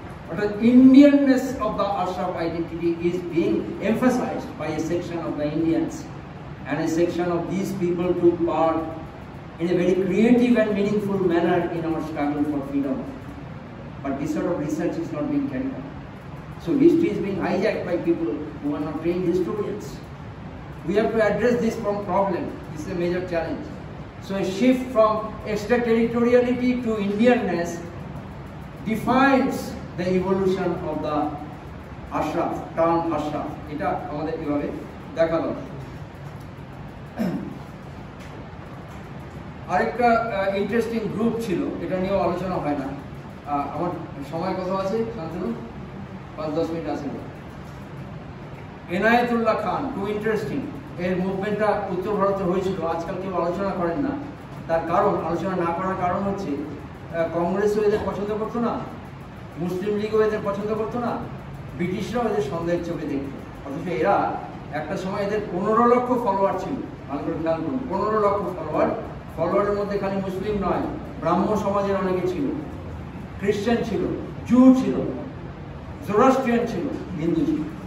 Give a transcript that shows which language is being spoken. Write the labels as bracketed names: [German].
[English] অর্থাৎ Indianness of the Ashraf identity is being emphasised by a section of the Indians and a section of this people to part in a very creative and meaningful manner in our struggle for freedom, but this sort of research is not being carried out, so history is being hijack by people who are not trained historians. We have to address this problem. This is a major challenge. So a shift from extraterritoriality to Indianness defines the evolution of the Ashraf, term Ashraf. [Bangla] Ita amader ebhabe dekha gelo. Arekta interesting group chilo, eta niyo alochona hoy na. Amar shomoy koto ache Shantanu? 5-10 minute ache. Inayatullah Khan, too interesting. এর মুভমেন্টটা উত্তর ভারতে হয়েছিল, আজকাল কেউ আলোচনা করেন না, তার কারণ আলোচনা না করার কারণ হচ্ছে কংগ্রেসও এদের পছন্দ করতো না, মুসলিম লীগও এদের পছন্দ করতো না, ব্রিটিশরাও এদের সন্দেহের চোখে দেখত, অথচ এরা একটা সময় এদের 15 লক্ষ ফলোয়ার ছিল, ভালো করে খেয়াল করুন 15 লক্ষ ফলোয়ার, ফলোয়ারের মধ্যে খালি মুসলিম নয় ব্রাহ্ম সমাজের অনেকে ছিল, খ্রিশ্চান ছিল, জু ছিল, জোরাস্ট্রিয়ান ছিল, হিন্দু ছিল।